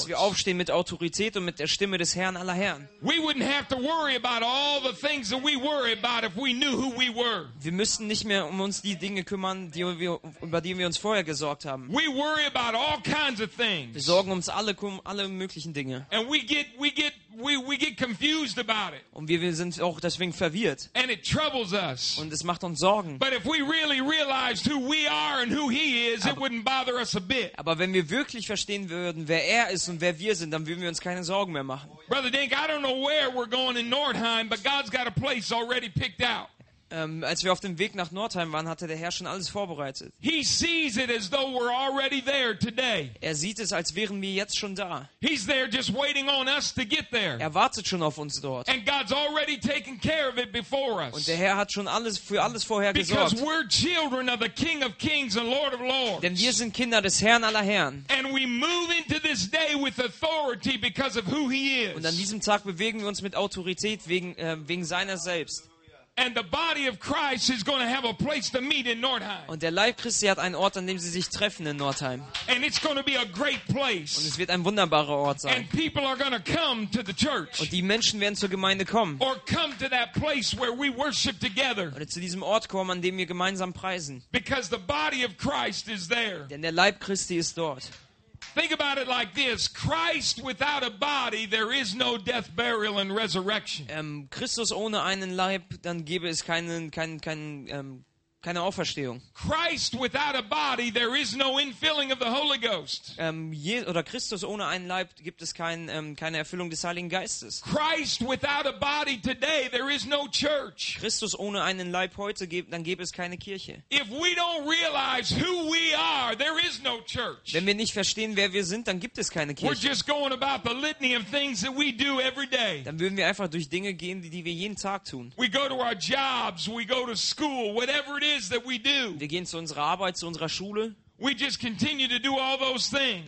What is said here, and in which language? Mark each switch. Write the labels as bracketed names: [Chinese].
[German] Dass wir aufstehen mit Autorität und mit der Stimme des Herrn aller Herren. [English] We wouldn't have to worry about all the things that we worry about if we knew who we were. [German] Wir müssten nicht mehr um uns die Dinge kümmern, die wir, über die wir uns vorher gesorgt haben. [English] We worry about all kinds of things. [German] Wir sorgen uns alle möglichen Dinge. [English] And we get confused about it. [German] Und wir sind auch deswegen verwirrt. [English] And it troubles us. [German] Und es macht uns Sorgen. [English] But if we really realized who we are and who he is, it wouldn't bother us a bit. [German] Aber wenn wir wirklich verstehen würden, wer er ist und wer wir sind, dann würden wir uns keine Sorgen mehr machen. [English] Brother Dink, I don't know where we're going in Nordheim, but God's got a place already picked out. [German] Als wir auf dem Weg nach Nordheim waren, hatte der Herr schon alles vorbereitet. [English] He sees it as though we're already there today. [German] Er sieht es, als wären wir jetzt schon da. [English] He's there just waiting on us to get there. [German] Er wartet schon auf uns dort. [English] And God's already taken care of it before us. [German] Und der Herr hat schon alles für alles vorher gesorgt. [English] Because we're children of the King of Kings and Lord of Lords. [German] Denn wir sind Kinder des Herrn aller Herren. [English] And we move into this day with authority because of who he is. [German] Und an diesem Tag bewegen wir uns mit Autorität wegen seiner selbst. [English] And the body of Christ is going to have a place to meet in Nordheim. [German] Und der Leib Christi hat einen Ort, an dem sie sich treffen in Nordheim. [English] And it's going to be a great place. [German] Und es wird ein wunderbarer Ort sein. [English] And people are going to come to the church. [German] Und die Menschen werden zur Gemeinde kommen. [English] Or come to that place where we worship together. [German] Oder zu diesem Ort kommen, an dem wir gemeinsam preisen. [English] Because the body of Christ is there. [German] Denn der Leib Christi ist dort. [English] Think about it like this: Christ without a body, there is no death, burial, and resurrection. [German] Christus ohne einen Leib, dann gäbe es keine Auferstehung. [English] Christ without a body, there is no infilling of the Holy Ghost. [German] Oder Christus ohne einen Leib gibt es keine Erfüllung des Heiligen Geistes. [English] Christ without a body today, there is no church. [German] Christus ohne einen Leib heute, dann gäbe es keine Kirche. [English] If we don't realize who we are, there is no church. [German] Wenn wir nicht verstehen, wer wir sind, dann gibt es keine Kirche. [English] We're just going about the litany of things that we do every day. [German] Dann würden wir einfach durch Dinge gehen, die wir jeden Tag tun. [English] We go to our jobs, we go to school, whatever. [German] Wir gehen zu unserer Arbeit, zu unserer Schule. [English] We just continue to do all those things.